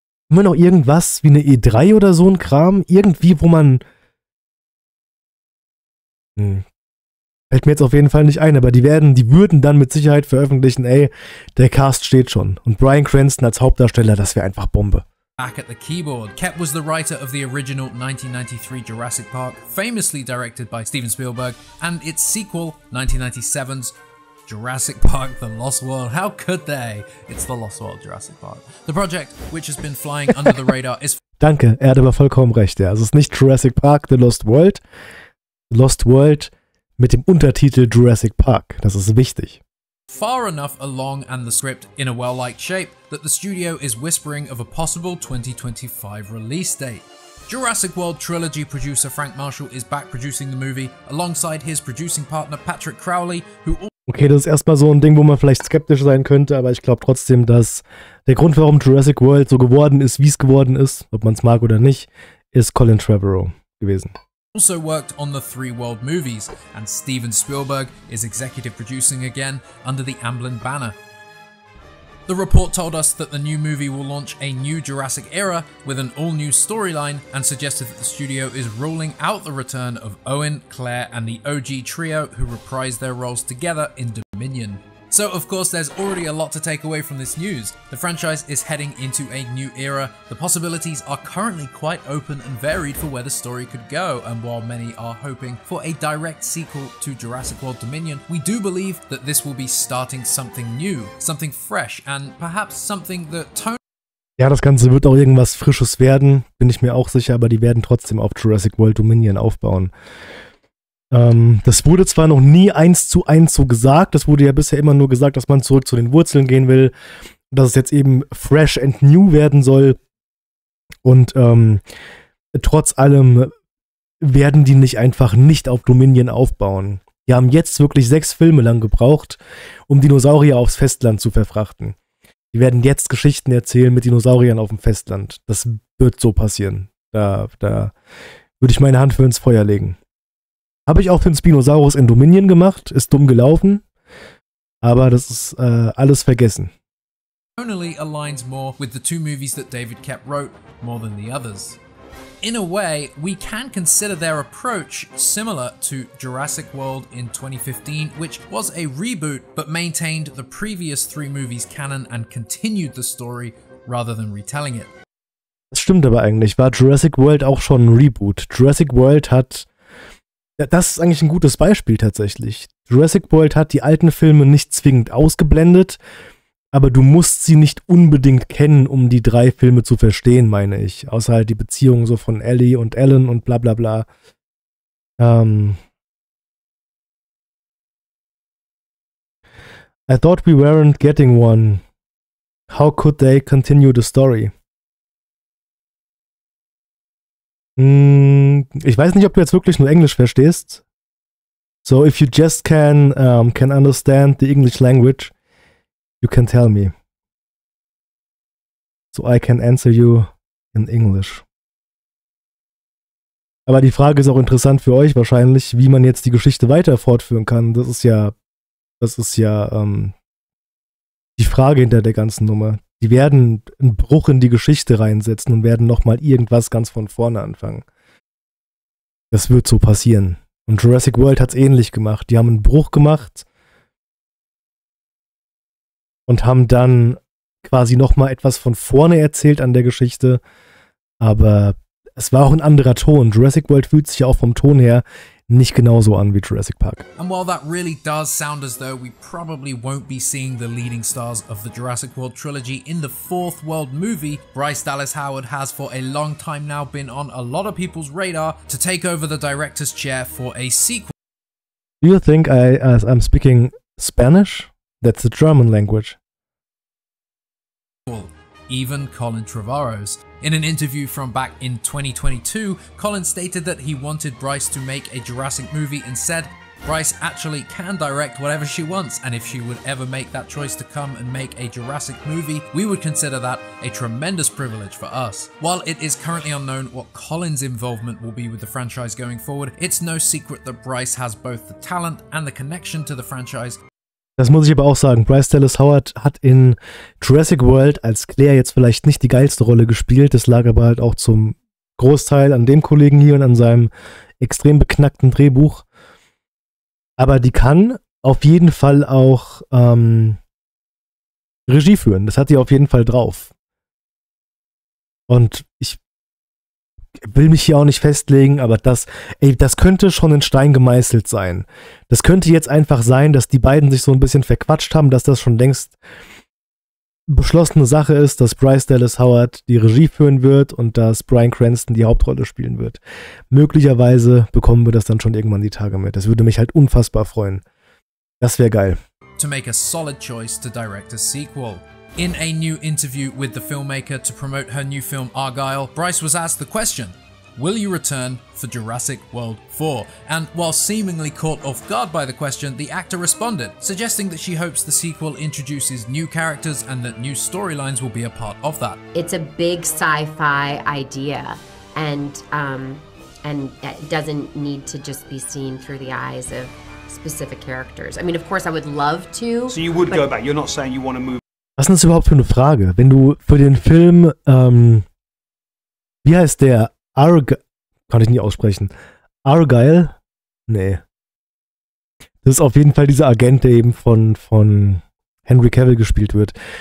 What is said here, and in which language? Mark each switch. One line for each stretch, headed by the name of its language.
German: Haben wir noch irgendwas wie eine E3 oder so ein Kram? Irgendwie, wo man... Fällt mir jetzt auf jeden Fall nicht ein, aber die würden dann mit Sicherheit veröffentlichen, ey, der Cast steht schon. Und Bryan Cranston als Hauptdarsteller, das wäre einfach Bombe.
English: Back at the keyboard, Koepp was the writer of the original 1993 Jurassic Park, famously directed by Steven Spielberg, and its sequel, 1997's Jurassic Park, The Lost World. How could they? It's The Lost World, Jurassic Park. The project, which has been flying under the radar, is...
German: Danke, hat aber vollkommen recht, ja. Also es ist nicht Jurassic Park, The Lost World. Lost World mit dem Untertitel Jurassic Park. Das ist wichtig.
English: Far enough along and the script in a well-liked shape that the studio is whispering of a possible 2025 release date. Jurassic World trilogy producer Frank Marshall is back producing the movie alongside his producing partner Patrick Crowley, who...
German: Okay, das ist erstmal so ein Ding, wo man vielleicht skeptisch sein könnte, aber ich glaube trotzdem, dass der Grund, warum Jurassic World so geworden ist, wie es geworden ist, ob man es mag oder nicht, ist Colin Trevorrow gewesen.
English: Also worked on the Three World movies, and Steven Spielberg is executive producing again under the Amblin banner. The report told us that the new movie will launch a new Jurassic era with an all-new storyline and suggested that the studio is ruling out the return of Owen, Claire, and the OG trio who reprised their roles together in Dominion. So, of course, there's already a lot to take away from this news. The franchise is heading into a new era. The possibilities are currently quite open and varied for where the story could go. And while many are hoping for a direct sequel to Jurassic World Dominion, we do believe that this will be starting something new, something fresh, and perhaps something that...
German: Ja, das Ganze wird auch irgendwas Frisches werden, bin ich mir auch sicher, aber die werden trotzdem auf Jurassic World Dominion aufbauen. Das wurde zwar noch nie 1:1 so gesagt, das wurde ja bisher immer nur gesagt, dass man zurück zu den Wurzeln gehen will, dass es jetzt eben
English: fresh and new
German: werden soll. Und trotz allem werden die nicht einfach nicht auf Dominion aufbauen. Die haben jetzt wirklich 6 Filme lang gebraucht, um Dinosaurier aufs Festland zu verfrachten. Die werden jetzt Geschichten erzählen mit Dinosauriern auf dem Festland. Das wird so passieren. Da würde ich meine Hand für ins Feuer legen. Habe ich auch für den Spinosaurus in Dominion gemacht. Ist dumm gelaufen. Aber das ist alles vergessen.
English: Tonally aligns more with the two movies that David Koepp wrote more than the others. In a way, we can consider their approach similar to Jurassic World in 2015, which was a reboot but maintained the previous three movies canon and continued the story rather than retelling it.
German: Das stimmt aber eigentlich. War Jurassic World auch schon ein Reboot? Jurassic World hat... Ja, das ist eigentlich ein gutes Beispiel tatsächlich. Jurassic World hat die alten Filme nicht zwingend ausgeblendet, aber du musst sie nicht unbedingt kennen, um die drei Filme zu verstehen, meine ich. Außer halt die Beziehung so von Ellie und Ellen und bla bla bla.
English: I thought we weren't getting one. How could they continue the story?
German: Ich weiß nicht, ob du jetzt wirklich nur Englisch verstehst.
English: So if you just can understand the English language, you can tell me. So I can answer you in English.
German: Aber die Frage ist auch interessant für euch wahrscheinlich, wie man jetzt die Geschichte weiter fortführen kann. Das ist ja die Frage hinter der ganzen Nummer. Die werden einen Bruch in die Geschichte reinsetzen und werden nochmal irgendwas ganz von vorne anfangen. Das wird so passieren. Und Jurassic World hat es ähnlich gemacht. Die haben einen Bruch gemacht und haben dann quasi nochmal etwas von vorne erzählt an der Geschichte. Aber es war auch ein anderer Ton. Jurassic World fühlt sich auch vom Ton her nicht genauso an wie Jurassic Park.
English: And while that really does sound as though we probably won't be seeing the leading stars of the Jurassic World trilogy in the fourth world movie, Bryce Dallas Howard has for a long time now been on a lot of people's radar to take over the director's chair for a sequel. Do you think I'm speaking Spanish? That's the German language. Cool. Even Colin Trevorrow's. In an interview from back in 2022, Colin stated that he wanted Bryce to make a Jurassic movie and said Bryce actually can direct whatever she wants, and if she would ever make that choice to come and make a Jurassic movie, we would consider that a tremendous privilege for us. While it is currently unknown what Colin's involvement will be with the franchise going forward, it's no secret that Bryce has both the talent and the connection to the franchise.
German: Das muss ich aber auch sagen. Bryce Dallas Howard hat in Jurassic World als Claire jetzt vielleicht nicht die geilste Rolle gespielt. Das lag aber halt auch zum Großteil an dem Kollegen hier und an seinem extrem beknackten Drehbuch. Aber die kann auf jeden Fall auch Regie führen. Das hat die auf jeden Fall drauf. Und ich will mich hier auch nicht festlegen, aber das könnte schon in Stein gemeißelt sein. Das könnte jetzt einfach sein, dass die beiden sich so ein bisschen verquatscht haben, dass das schon längst beschlossene Sache ist, dass Bryce Dallas Howard die Regie führen wird und dass Bryan Cranston die Hauptrolle spielen wird. Möglicherweise bekommen wir das dann schon irgendwann die Tage mit. Das würde mich halt unfassbar freuen. Das wäre geil.
English: To make a solid choice to direct a sequel. In a new interview with the filmmaker to promote her new film Argyle, Bryce was asked the question, will you return for Jurassic World 4? And while seemingly caught off guard by the question, the actor responded, suggesting that she hopes the sequel introduces new characters and that new storylines will be a part of that. It's a big sci-fi idea and it doesn't need to just be seen through the eyes of specific characters. I mean, of course, I would love to. So you would go back. You're not saying you want to move.
German: Was ist das überhaupt für eine Frage? Wenn du für den Film, wie heißt der? Kann ich nicht aussprechen. Argyle? Nee. Das ist auf jeden Fall dieser Agent, der eben von Henry Cavill gespielt wird.